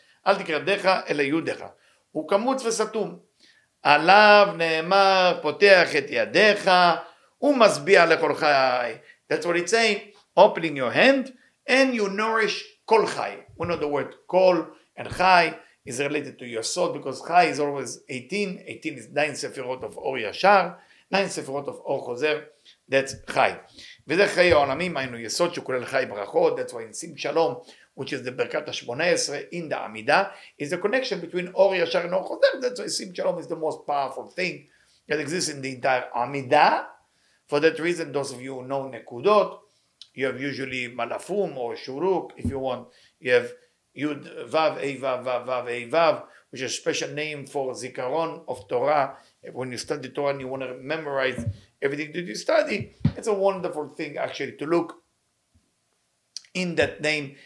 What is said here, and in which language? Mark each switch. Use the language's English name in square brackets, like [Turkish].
[Hebrew] אל תקרא דיך, אלא יודיך, הוא קמוץ וסתום, עליו נאמר, פותח את ידיך, ומסביע לכל חי. [English] That's what it's saying. Opening your hand, and you nourish כל חי. We know the word כל, and חי is related to your soul, because חי is always 18. 18 is 9 ספירות of אור ישר, 9 ספירות of אור חוזר, that's חי. [Hebrew] וזה חי העולמים, היינו יסוד שכולל חי ברכות, [English] that's why in שים שלום, which is the ברכת ה-18 in the עמידה, is the connection between אור ישר and אור חוזר, that's why שים שלום is the most powerful thing that exists in the entire עמידה. For that reason, those of you who know Nekudot, you have usually Malafum or Shuruk, if you want. You have Yud Vav, Eivav, Vav, Vav, Eivav, which is a special name for Zikaron of Torah. When you study Torah and you want to memorize everything that you study, it's a wonderful thing actually to look in that name.